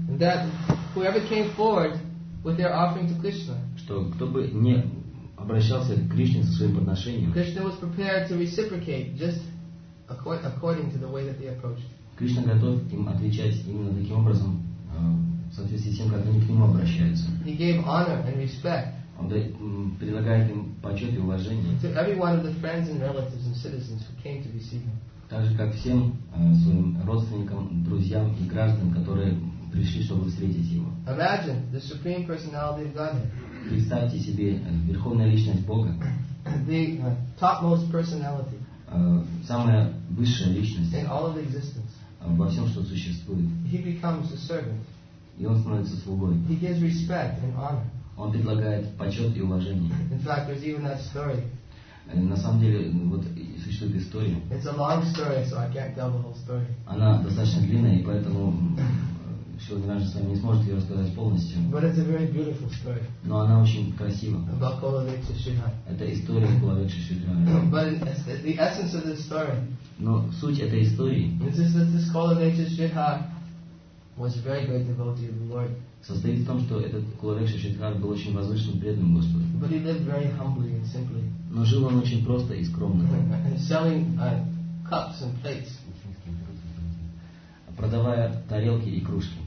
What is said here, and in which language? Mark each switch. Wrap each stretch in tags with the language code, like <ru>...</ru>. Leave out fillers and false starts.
<en>That whoever came forward with their offering to Krishna.</en> <ru>Что кто бы не обращался к Кришне со своим подношением.</ru> <en>Krishna was prepared to reciprocate just according to the way that they approached.</en> <ru>Кришна готов им отвечать именно таким образом, в соответствии с тем, как они к нему обращаются.</ru> <en>He gave honor and respect.</en> <ru>Он предлагает им почет и уважение.</ru> <en>To every one of the friends and relatives and citizens who came to receive him.</en> <ru>Так же, как всем своим родственникам, друзьям и гражданам, которые пришли, чтобы встретить его.</ru> <en>Imagine the supreme personality of Godhead.</en> <ru>Представьте себе верховная личность Бога.</ru> <en>The topmost personality.</en> <ru>Самая высшая личность.</ru> <en>In all of existence.</en> <ru>Во всем, что существует.</ru> <en>He becomes a servant.</en> <ru>И он становится слугой.</ru> <en>He gives respect and honor.</en> <ru>Он предлагает почет и уважение.</ru> <en>In fact, there's even that story.</en> <ru>На самом деле, вот существует история.</ru> <en>It's a long story, so I can't tell the whole story.</en> <ru>Она достаточно длинная, и поэтому сегодня наш с вами не сможет ее рассказать полностью.</ru> <en>But it's a very beautiful story.</en> <ru>Но она очень красива.</ru> <en>About Kulavriksha Sridhara.</en> <ru>Это история Кулавриксы Шридхары.</ru> <en>But the essence of this story.</en> <ru>Но суть этой истории.</ru> <en>It is that this Kulavriksha Sridhara was a very great devotee of the Lord.</en> <ru>Состоит в том, что этот Кулавриксы Шридхара был очень возвышенным преданным Господу.</ru> <en>But he lived very humbly and simply.</en> <ru>Но жил он очень просто и скромно.</ru> <en>Selling cups and plates.</en> <ru>Продавая тарелки и кружки.</ru>